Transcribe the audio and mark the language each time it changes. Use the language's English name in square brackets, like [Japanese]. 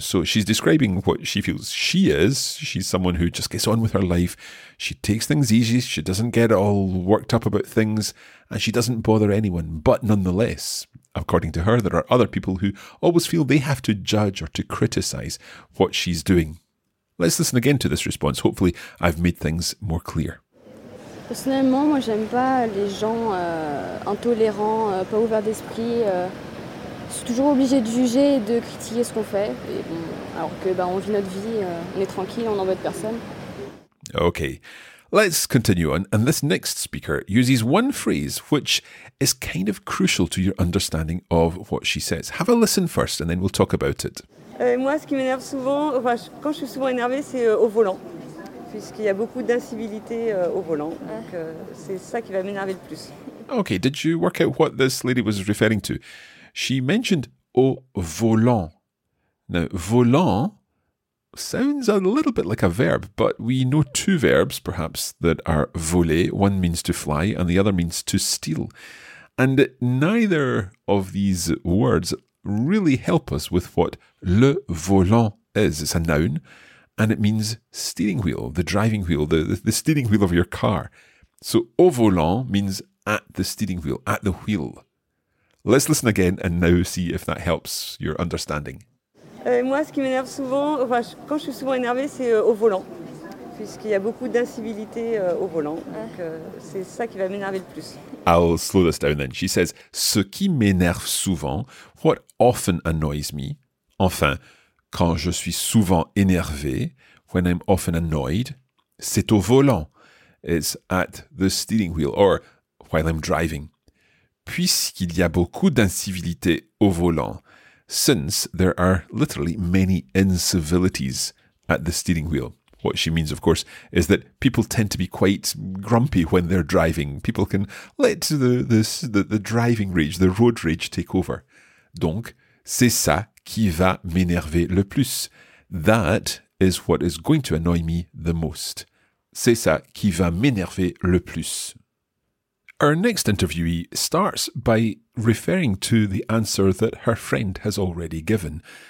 [English] So she's describing what she feels she is. She's someone who just gets on with her life. She takes things easy, she doesn't get all worked up about things, and she doesn't bother anyone. But nonetheless, according to her, there are other people who always feel they have to judge or to criticize what she's doing. Let's listen again to this response. Hopefully I've made things more clear. [French] Personnellement, moi, j'aime pas les gens intolérants, pas ouverts d'esprit. Je suis toujours obligée de juger et de critiquer ce qu'on fait. Et bon, alors que, bah, on vit notre vie, on est tranquille, on n'embête personne. [English] Okay, Let's continue on, and this next speaker uses one phrase which is kind of crucial to your understanding of what she says. Have a listen first, and then we'll talk about it. [French] Moi, ce qui m'énerve souvent, enfin, quand je suis souvent énervée, c'est au volant, puisqu'il y a beaucoup d'incivilité au volant. Donc, c'est ça qui va m'énerver le plus. [English] Okay, did you work out what this lady was referring to? She mentioned [French] au volant. [English] Now, volant sounds a little bit like a verb, but we know two verbs, perhaps, that are voler. One means to fly and the other means to steal. And neither of these words really help us with what [French] le volant [English] is. It's a noun and it means steering wheel, the driving wheel, the steering wheel of your car. So [French] au volant [English] means at the steering wheel, at the wheel. Let's listen again and now see if that helps your understanding. [French] Moi, ce qui m'énerve souvent, enfin, quand je suis souvent énervée, c'est au volant, puisqu'il y a beaucoup d'incivilité au volant. Donc, c'est ça qui va m'énerver le plus. [English] I'll slow this down then. She says, [French] ce qui m'énerve souvent, what often annoys me, enfin, quand je suis souvent énervée, when I'm often annoyed, c'est au volant. [English] It's at the steering wheel, or while I'm driving. [French] Puisqu'il y a beaucoup d'incivilité au volant. [English] Since there are literally many incivilities at the steering wheel. What she means, of course, is that people tend to be quite grumpy when they're driving. People can let the driving rage, the road rage, take over. [French] Donc, c'est ça qui va m'énerver le plus. [English] That is what is going to annoy me the most. [French] C'est ça qui va m'énerver le plus. [English] Our next interviewee starts by referring to the answer that her friend has already given.